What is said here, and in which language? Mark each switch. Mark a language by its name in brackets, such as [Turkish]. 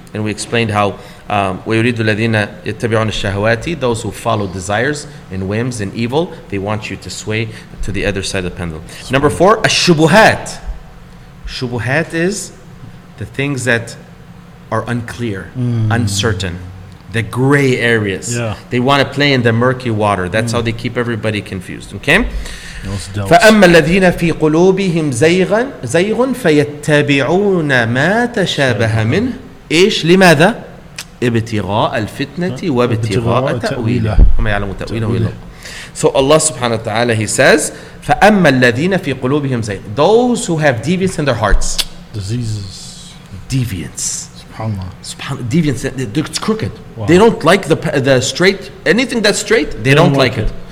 [English] And we explained how [Arabic] وَيُرِيدُ الَّذِينَ يَتَّبِعُونَ الشَّهَوَاتِ, [English] those who follow desires and whims and evil, they want you to sway to the other side of the pendulum. Sway. Number four, الشُّبُهَات. Shubuhat is the things that are unclear, uncertain, the gray areas. Yeah. They want to play in the murky water. That's how they keep everybody confused. Okay? [Arabic] فَأَمَّا الَّذِينَ فِي قُلُوبِهِمْ زَيْغٌ فَيَتَّبِعُونَ مَا تَشَابَهَ مِنْهُ إيش لماذا ابتغاء الفتنة وابتغاء تأويله وما يعلم تأويله إلا الله. [English] So Allah subhanahu wa ta'ala, he says, [Arabic] فَأَمَّا الَّذِينَ فِي قُلُوبِهِمْ زَيْغٌ, [English] those who have deviance in their hearts, diseases, deviance, subhanallah, deviance, it's crooked. Wow. They don't like the straight, anything that's straight, they don't like it.